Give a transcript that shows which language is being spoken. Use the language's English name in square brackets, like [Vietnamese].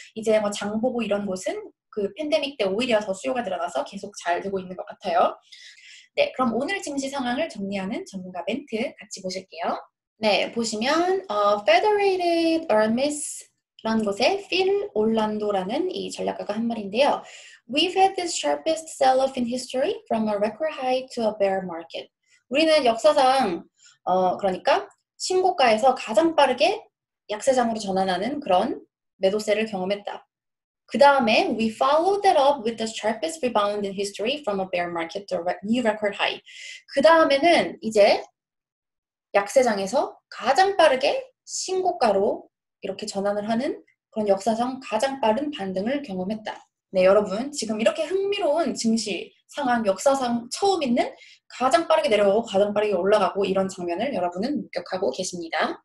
[Korean] 이제 뭐 장보고 이런 곳은 그 팬데믹 때 오히려 더 수요가 늘어나서 계속 잘 되고 있는 것 같아요. 네, 그럼 오늘 증시 상황을 정리하는 전문가 멘트 같이 보실게요. 네, 보시면 Federated Hermes라는 곳에 필 올란도라는 이 전략가가 한 말인데요. [English] We've had the sharpest sell-off in history from a record high to a bear market. [Korean] 우리는 역사상 그러니까 신고가에서 가장 빠르게 약세장으로 전환하는 그런 매도세를 경험했다. 그 다음에 [English] we followed that up with the sharpest rebound in history from a bear market to a new record high. [Korean] 그 다음에는 이제 약세장에서 가장 빠르게 신고가로 이렇게 전환을 하는 그런 역사상 가장 빠른 반등을 경험했다. 네, 여러분, 지금 이렇게 흥미로운 증시 상황 역사상 처음 있는 가장 빠르게 내려가고 가장 빠르게 올라가고 이런 장면을 여러분은 목격하고 계십니다.